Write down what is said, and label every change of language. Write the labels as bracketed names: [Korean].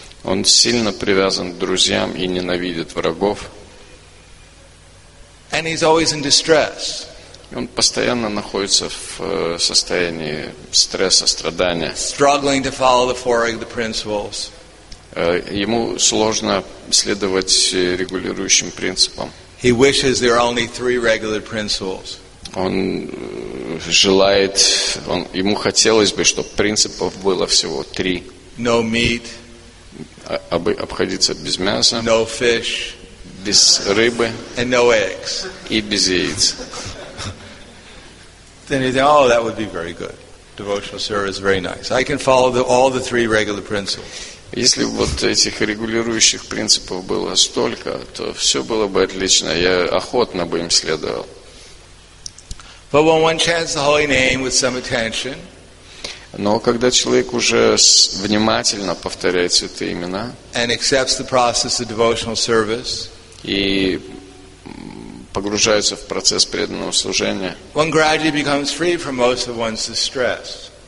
[Russian] Он сильно привязан к друзьям и ненавидит врагов. [English] And he's always in distress. [Russian] Он постоянно находится в состоянии стресса, страдания. [English] Struggling to follow the four of the principles. [Russian] Ему сложно следовать регулирующим принципам. [English] He wishes there are only three regular principles. [Russian] Он желает, ему хотелось бы, чтобы принципов было всего три. [English] No meat. [Russian] Обходиться без мяса. [English] No fish. [Russian] Без рыбы. [English] And no eggs. [Russian] И без яиц. [English] Then he said, "Oh, that would be very good." devotional service very nice. I can follow all the three regular principles. [Russian] Если бы вот этих регулирующих принципов было столько, то все было бы отлично. Я охотно бы им следовал. [English] But when one chants the holy name with some attention, [Russian] но когда человек уже внимательно повторяет святые имена, [English] and accepts the process of devotional service, [Russian] и погружается в процесс преданного служения, [English] one gradually becomes free from most of one's distress.